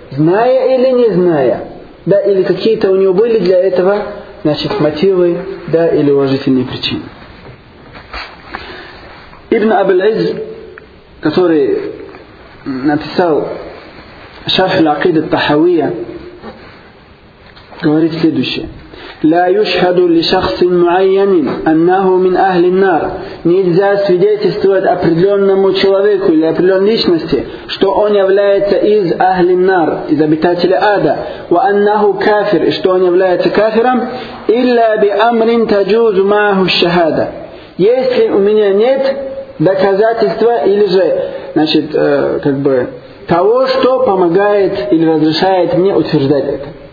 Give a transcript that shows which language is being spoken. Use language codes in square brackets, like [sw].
[ru] Зная или не зная. Да, или какие-то у него были для этого, значит, мотивы, да, или уважительные причины. Ибн Абл-Из, который написал «Шарх аль-Акида ат-Тахавия», говорит следующее. [ar] لا يشهد لشخص معين أنه من أهل النار. [ru] Нельзя свидетельствовать определенному человеку или определенной личности, что он является из Ахли Нар, из обитателя ада, [ar] وأنه كافر, [ru] и что он является кафиром, [ar] إلا بأمر تجوز معه الشهادة. [ru] Если у меня нет доказательства или же, значит, того, что помогает или разрешает мне утверждать это.